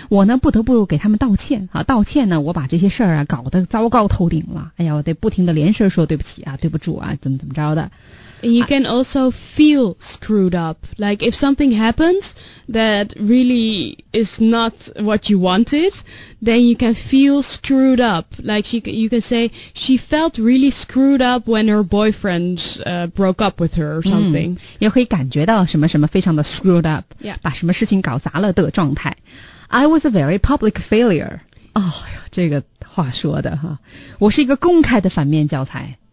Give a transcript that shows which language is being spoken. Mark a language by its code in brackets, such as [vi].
[zh] 我呢，不得不给他们道歉啊！道歉呢，我把这些事儿啊搞得糟糕透顶了。哎呀，我得不停的连声说对不起啊，对不住啊，怎么着的。 [en] And you can also feel screwed up. Like if something happens that really is not what you wanted, then you can feel screwed up. Like you can say she felt really screwed up when her boyfriend broke up with her or something. [zh] 也可以感觉到什么什么非常的 [en] screwed up. Yeah. [zh] 把什么事情搞砸了的状态。 [en] I was a very public failure. [zh] 哦，这个话说的哈，我是一个公开的反面教材。